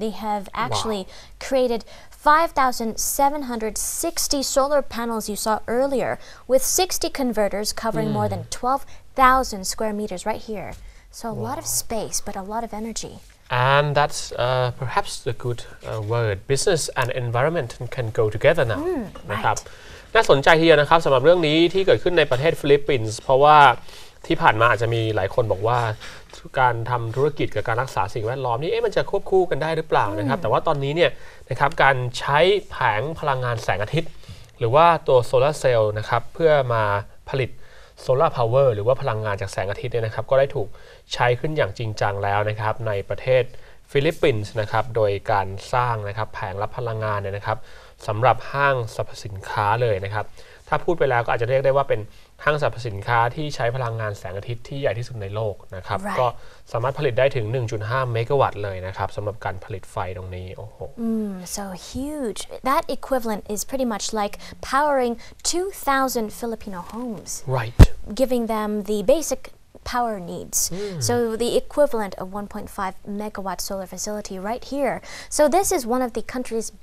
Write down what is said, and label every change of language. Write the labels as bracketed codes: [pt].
[en] They have actually created 5,760 solar panels you saw earlier with 60 converters covering more than 12,000 square meters right here. So a lot of space, but a lot of energy. And that's perhaps the good word. Business and environment can go together now. [th] น่าสนใจทีเดียวนะครับสำหรับเรื่องนี้ที่เกิดขึ้นในประเทศฟิลิปปินส์เพราะว่าที่ผ่านมาอาจจะมีหลายคนบอกว่าการทำธุรกิจกับการรักษาสิ่งแวดล้อมนี่มันจะควบคู่กันได้หรือเปล่านะครับแต่ว่าตอนนี้เนี่ยนะครับการใช้แผงพลังงานแสงอาทิตย์หรือว่าตัวโซลาร์เซลล์นะครับเพื่อมาผลิต โซลาร์พาวเวอร์หรือว่าพลังงานจากแสงอาทิตย์เนี่ยนะครับก็ได้ถูกใช้ขึ้นอย่างจริงจังแล้วนะครับในประเทศฟิลิปปินส์นะครับโดยการสร้างนะครับแผงรับพลังงานเนี่ยนะครับสำหรับห้างสรรพสินค้าเลยนะครับถ้าพูดไปแล้วก็อาจจะเรียกได้ว่าเป็นห้างสรรพสินค้าที่ใช้พลังงานแสงอาทิตย์ที่ใหญ่ที่สุดในโลกนะครับ [en] right. [th] ก็สามารถผลิตได้ถึง 1.5 เมกะวัตต์เลยนะครับสำหรับการผลิตไฟตรงนี้โอ้โห [en] so huge that equivalent is pretty much like powering 2,000 Filipino homes right giving them the basic power needs so the equivalent of 1.5 megawatt solar facility right here so this is one of the country's